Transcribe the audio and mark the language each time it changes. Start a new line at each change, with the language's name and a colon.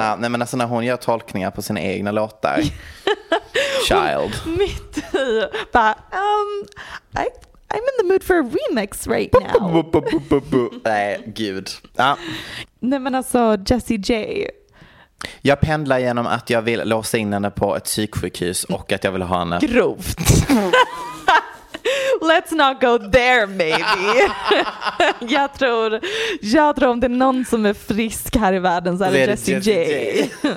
Swedish: Nej men alltså när hon gör tolkningar på sina egna låtar.
English: Child.
Swedish: Mitt i. Bara,
English: I'm in the mood for a remix right now.
Swedish: Nej gud. Nej men alltså Jessie J. Jag pendlar genom att jag vill låsa in henne på ett psyksjukhus och att jag vill ha henne. Grovt.
English: Let's not go there maybe.
Swedish: Jag tror om det är någon som är frisk här i världen så är det Jessie J.